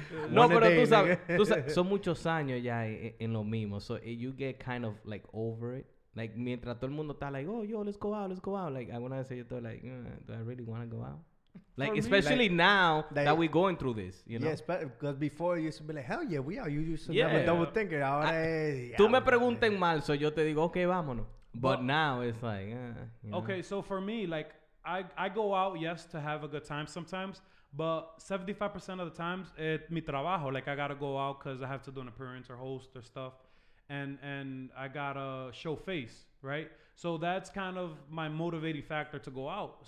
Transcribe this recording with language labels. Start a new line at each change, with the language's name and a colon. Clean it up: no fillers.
Spanish: No, pero tú sabes, son muchos años ya en lo mismo.
English: So, you get kind of, like, over it. Like,
Spanish: mientras todo el mundo está
English: like, oh, yo, let's go out, like,
Spanish: alguna vez yo estoy
English: like, do I really want to go out? Like, for especially me, like, now that, that we're going through this, you know? Yes, because before you used to be like, hell yeah, we are, you used to never double think it.
Spanish: Ahora, tú me preguntas mal, so yo te digo, okay, vámonos.
English: But now it's like, okay, so for me, like, I go out, yes, to have a good time sometimes, but 75% of the times, it's
Spanish: mi trabajo,
English: like, I gotta go out because I have to do an appearance or host or stuff. And I got to show face, right? So that's kind of my motivating factor to go out.